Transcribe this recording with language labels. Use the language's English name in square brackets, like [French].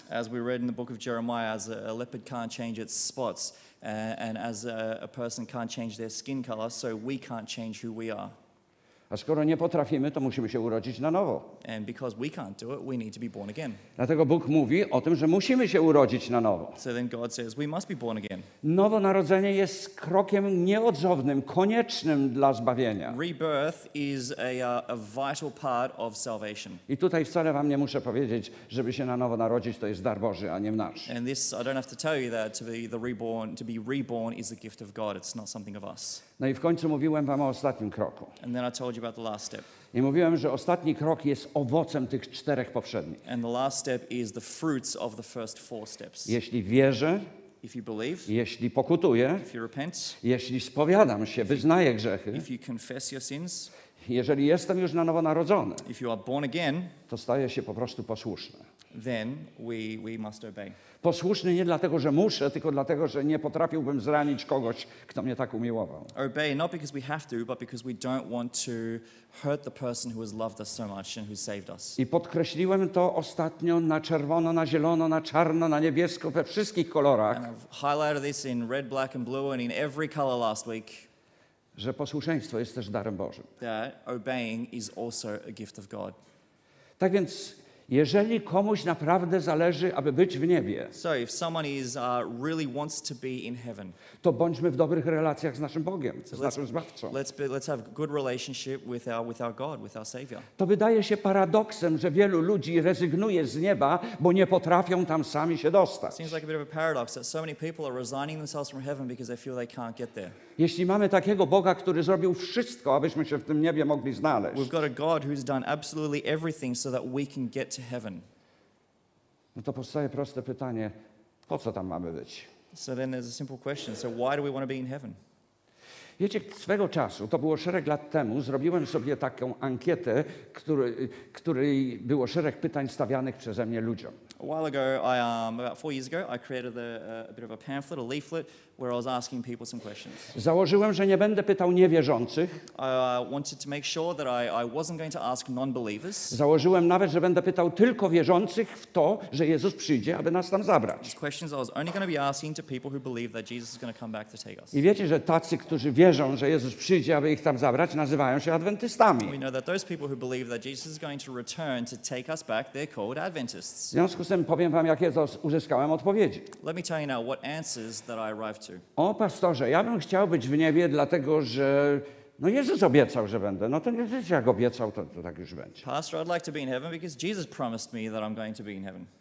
[English] As we read in the book of Jeremiah, as a leopard can't change its spots, and as a person can't change their skin color, so we can't change who we are. [Polish] A skoro nie potrafimy, to musimy się urodzić na nowo. [English] And because we can't do it, we need to be born again. [Polish] Dlatego Bóg mówi o tym, że musimy się urodzić na nowo. [English] So then God says we must be born again. [Polish] Nowonarodzenie jest krokiem nieodzownym, koniecznym dla zbawienia. [English] Rebirth is a vital part of salvation. [Polish] I tutaj wcale wam nie muszę powiedzieć, żeby się na nowo narodzić, to jest dar Boży, a nie nasz. [English] And this I don't have to tell you that to be reborn is a gift of God. It's not something of us. [Polish] No i w końcu mówiłem wam o ostatnim kroku. [English] And then I told you about the last step. [Polish] I mówiłem, że ostatni krok jest owocem tych czterech poprzednich. [English] And the last step is the fruits of the first four steps. [Polish] Jeśli wierzę, [English] if you believe, [Polish] jeśli pokutuję, [English] if you repent, [Polish] jeśli spowiadam się, wyznaję grzechy, [English] if you confess your sins, [Polish] jeżeli jestem już na nowo narodzony, [English] if you are born again, [Polish] to staję się po prostu posłuszny. [English] Then we must obey. [Polish] Posłuszny nie dlatego, że muszę, tylko dlatego, że nie potrafiłbym zranić kogoś, kto mnie tak umiłował. [English] Obey not because we have to, but because we don't want to hurt the person who has loved us so much and who saved us. [Polish] I podkreśliłem to ostatnio na czerwono, na zielono, na czarno, na niebiesko, we wszystkich kolorach. [English] And I've highlighted this in red, black and blue and in every color last week. [Polish] Że posłuszeństwo jest też darem Bożym. [English] That obeying is also a gift of God. [Polish] Tak więc jeżeli komuś naprawdę zależy, aby być w niebie, [English] so if someone is, really wants to be in heaven, [Polish] to bądźmy w dobrych relacjach z naszym Bogiem, z naszym Zbawcą. [English] Let's have good relationship with our God, with our Savior. [Polish] To wydaje się paradoksem, że wielu ludzi rezygnuje z nieba, bo nie potrafią tam sami się dostać. [English] Seems like a bit of a paradox that so many people are resigning themselves from heaven because they feel they can't get there. [Polish] Jeśli mamy takiego Boga, który zrobił wszystko, abyśmy się w tym niebie mogli znaleźć, [English] we've got a God who's done absolutely everything so that we can get to heaven. [Polish] No to powstaje proste pytanie, po co tam mamy być? [English] So then there's a simple question. So why do we want to be in heaven? [Polish] Wiecie, swego czasu, to było szereg lat temu, zrobiłem sobie taką ankietę, której było szereg pytań stawianych przeze mnie ludziom. [English] A while ago, about 4 years ago, I created a bit of a pamphlet, a leaflet, where I was asking people some questions. [Polish] Założyłem, że nie będę pytał niewierzących. [English] I wanted to make sure that I wasn't going to ask non-believers. [Polish] Założyłem nawet, że będę pytał tylko wierzących w to, że Jezus przyjdzie, aby nas tam zabrać. [English] These questions I was only going to be asking to people who believe that Jesus is going to come back to take us. [Polish] I wiecie, że tacy, którzy wierzą, że Jezus przyjdzie, aby ich tam zabrać, nazywają się adwentystami. [English] We know that those people who believe that Jesus is going to return to take us back, they're called Adventists. [Polish] W związku z tym powiem wam, jakie uzyskałem odpowiedzi. [English] Let me tell you now what answers that I arrived. [Polish] O pastorze, ja bym chciał być w niebie, dlatego że no Jezus obiecał, że będę. No to nie wiecie, jak obiecał, to tak już będzie. [English] Pastor, I'd like to be in heaven because Jesus promised me that I'm going to be in heaven.